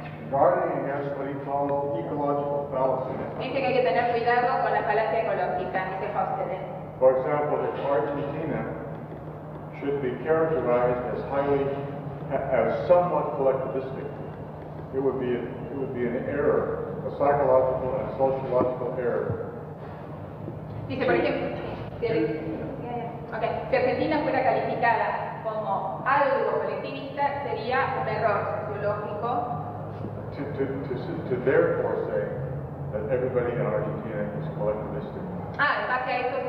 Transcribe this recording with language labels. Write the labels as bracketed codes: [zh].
[en] guarding against what he calls the ecological fallacy. [es] Dice que hay que tener cuidado con la falacia ecológica, dice Hostede. [en] For example, that Argentina should be characterized as highly, as somewhat collectivistic. It would be an error, a psychological and sociological error. [es] Dice, por ejemplo, si Argentina fuera calificada como algo colectivista, sería un error sociológico. [en] To therefore say that everybody in Argentina is collectivistic.